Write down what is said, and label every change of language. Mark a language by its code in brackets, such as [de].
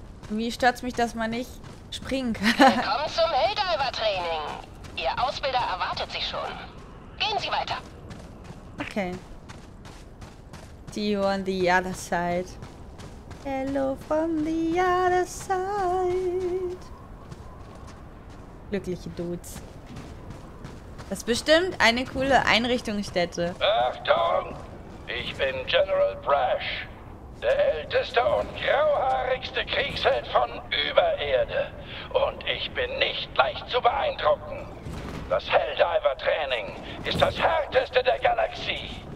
[de] Wie stört's mich, dass man nicht springen kann? Willkommen zum Helldiver-Training. Ihr Ausbilder erwartet Sie schon. Gehen Sie weiter. Okay. [en] See you on the other side. Hello from the other side. [de] Glückliche Dudes. Das ist bestimmt eine coole Einrichtungsstätte. Achtung! Ich bin General Brash, der älteste und grauhaarigste Kriegsheld von Übererde. Und ich bin nicht leicht zu beeindrucken. Das Helldiver-Training ist das härteste der Galaxie.